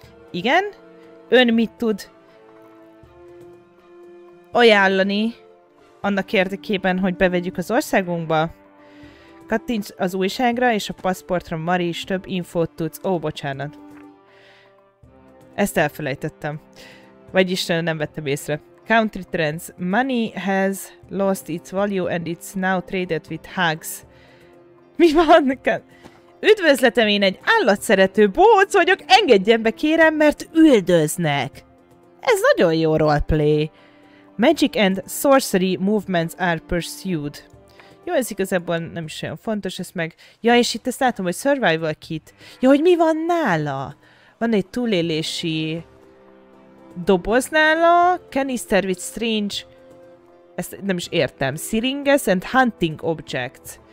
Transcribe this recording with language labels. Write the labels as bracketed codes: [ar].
[hu] Igen, ön mit tud ajánlani annak érdekében, hogy bevegyük az országunkba? Kattints az újságra és a passportra, Mari is több infót tudsz. Ó, bocsánat. Ezt elfelejtettem. Vagyis nem vettem észre. [en] Country trends. Money has lost its value and it's now traded with hugs. [hu] Mi van? Üdvözletem, én egy állatszerető bohóc vagyok. Engedjen be, kérem, mert üldöznek. Ez nagyon jó roleplay. [en] Magic and sorcery movements are pursued. [hu] Jó, ez igazából nem is olyan fontos, ezt meg... Ja, és itt ezt látom, hogy survival kit. Ja, hogy mi van nála? Van egy túlélési doboz nála, [en] canister with strange, [hu] ezt nem is értem, [en] syringes and hunting objects.